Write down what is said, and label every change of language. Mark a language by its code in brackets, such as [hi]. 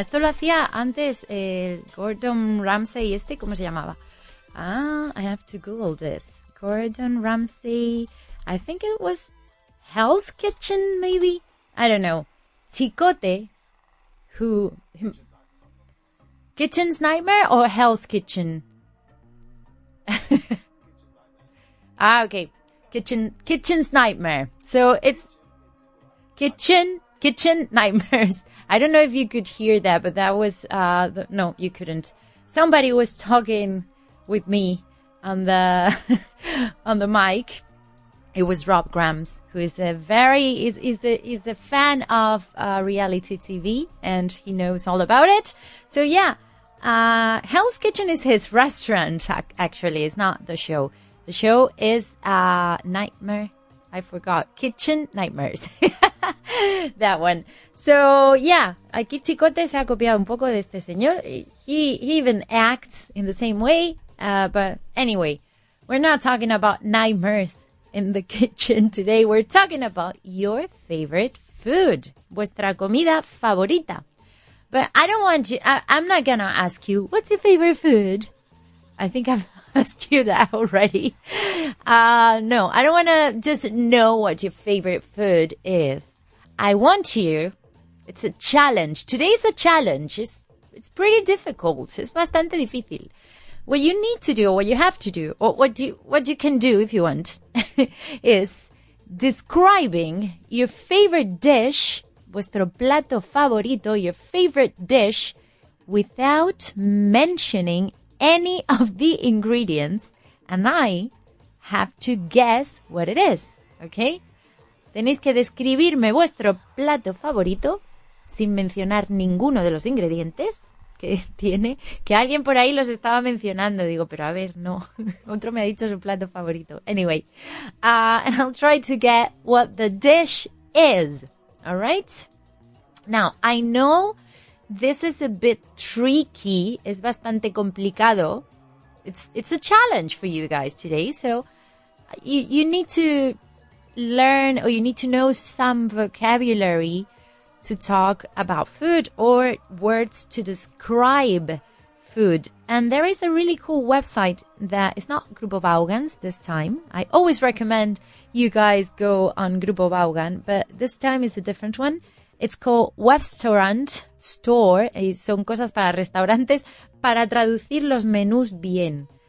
[es] Esto lo hacía antes Gordon Ramsay, este, ¿cómo se llamaba? [en] I have to Google this. Gordon Ramsay, I think it was Hell's Kitchen, maybe? I don't know. Chicote, who... Him, Kitchen's Nightmare or Hell's Kitchen? okay. Kitchen's Nightmare. So it's... Kitchen Nightmares. I don't know if you could hear that, but that was... No, you couldn't. Somebody was talking with me on the on the mic. It was Rob Grams, who is a very... is a fan of reality TV, and he knows all about it. So, yeah. Hell's Kitchen is his restaurant, actually. It's not the show. The show is Nightmare... I forgot. Kitchen Nightmares. That one. So, yeah. [es] Aquí Chicote se ha copiado un poco de este señor. [en] He even acts in the same way. But anyway, we're not talking about nightmares in the kitchen today. We're talking about your favorite food. [es] Vuestra comida favorita. [en] But I don't want you... I'm not going to ask you, what's your favorite food? I think I've... asked you that already. No, I don't want to just know what your favorite food is. I want you. It's a challenge. Today's a challenge. It's pretty difficult. It's [es] bastante difícil. [en] What you need to do, or what you have to do, or what you can do if you want, is describing your favorite dish, [es] vuestro plato favorito, [en] your favorite dish, without mentioning any of the ingredients, and I have to guess what it is, okay? [es] Tenéis que describirme vuestro plato favorito sin mencionar ninguno de los ingredientes que tiene, que alguien por ahí los estaba mencionando. Digo, pero a ver, no, otro me ha dicho su plato favorito. [en] Anyway, and I'll try to get what the dish is, all right? Now, I know... this is a bit tricky. [es] Es bastante complicado. [en] It's a challenge for you guys today. So you need to learn, or you need to know some vocabulary to talk about food or words to describe food. And there is a really cool website that is not Grupo Vaughan this time. I always recommend you guys go on Grupo Vaughan, but this time is a different one. It's called Webstaurant Store. [es] Y son cosas para restaurantes para traducir los menús bien.